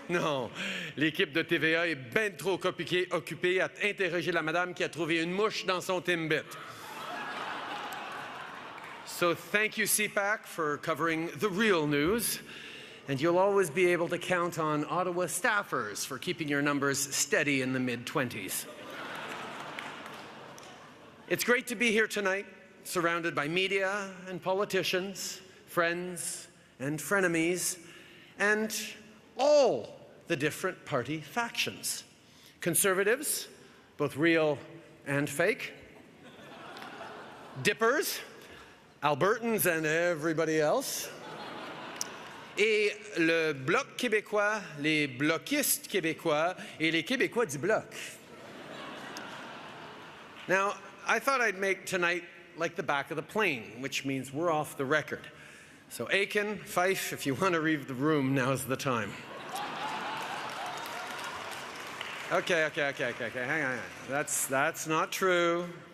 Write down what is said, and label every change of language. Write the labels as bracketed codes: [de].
[fr] Non, l'équipe de TVA est bien trop occupée à interroger la madame qui a trouvé une mouche dans son Timbit. [en] So thank you, CPAC, for covering the real news. And you'll always be able to count on Ottawa staffers for keeping your numbers steady in the mid-20s. It's great to be here tonight, surrounded by media and politicians, friends and frenemies, and all the different party factions. Conservatives, both real and fake. Dippers, Albertans and everybody else. [fr] Et le Bloc québécois, les bloquistes québécois, et les Québécois du Bloc. [en] Now, I thought I'd make tonight like the back of the plane, which means we're off the record. So Aiken, Fife, if you want to leave the room, now's the time. Okay, hang on. That's not true.